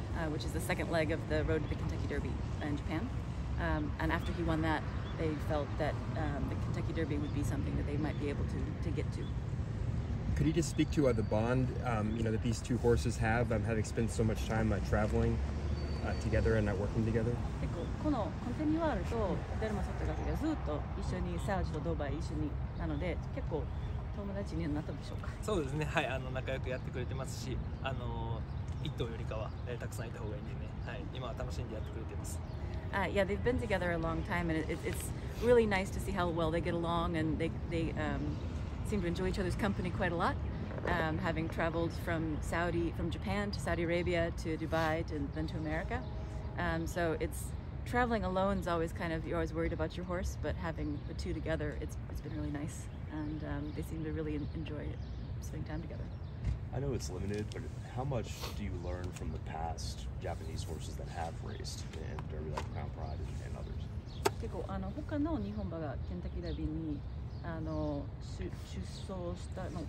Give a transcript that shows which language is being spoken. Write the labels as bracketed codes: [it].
[en] Which is the second leg of the road to the Kentucky Derby in Japan. And after he won that, they felt that the Kentucky Derby would be something that they might be able to get to. Could you just speak to the bond that these two horses have, having spent so much time traveling together and not working together? [ja] このコンテニュアルとデルマソットガキがずっと一緒にサージとドバイ一緒になので結構友達になったんでしょうか？そうですね。はい、仲良くやってくれてますし、1頭よりかは、たくさんいた方がいいんでね。はい、今は楽しんでやってくれています。 [en] Yeah, they've been together a long time and it's really nice to see how well they get along and they seem to enjoy each other's company quite a lot. Having traveled from Japan to Saudi Arabia to Dubai and then to America. So it's traveling alone is always kind of, you're always worried about your horse, but having the two together, it's been really nice. And they seem to really enjoy spending time together. I know it's limited, but how much do you learn from the past Japanese horses that have raced in Derby like Crown Pride and others? [ja] 結構他の日本馬がケンタッキーダービーに出走した